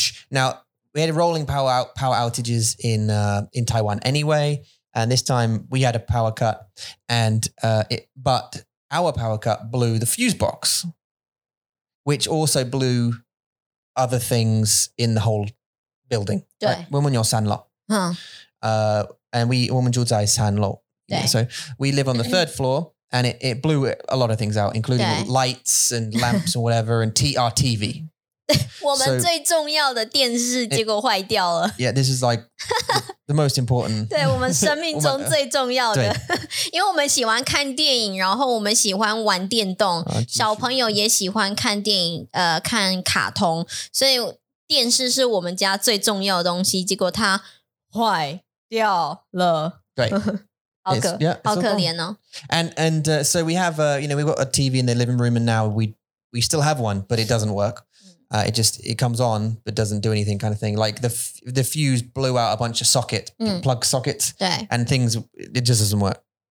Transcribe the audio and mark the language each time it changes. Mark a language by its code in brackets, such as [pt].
[en] Now we had rolling power outages in Taiwan anyway, and this time we had a power cut, but our power cut blew the fuse box, which also blew. Other things in the whole building. [zh] 对，我们有三楼。嗯。 [en] And we [zh] 们住在三楼。对。 [en] So we live on the third floor, and it blew a lot of things out, including lights and lamps or whatever, and our TV. [zh] 我们最重要的电视结果坏掉了。 [en] Yeah, this is like the most important. [zh] 对，我们生命中最重要的，因为我们喜欢看电影，然后我们喜欢玩电动，小朋友也喜欢看电影，看卡通，所以电视是我们家最重要的东西，结果它坏掉了。对。好可怜哦。 [en] And so we have, you know, we've got a TV in the living room, and now we still have one, but it doesn't work. It comes on, but doesn't do anything kind of thing. Like the fuse blew out a bunch of socket, plug sockets, and things, it just doesn't work.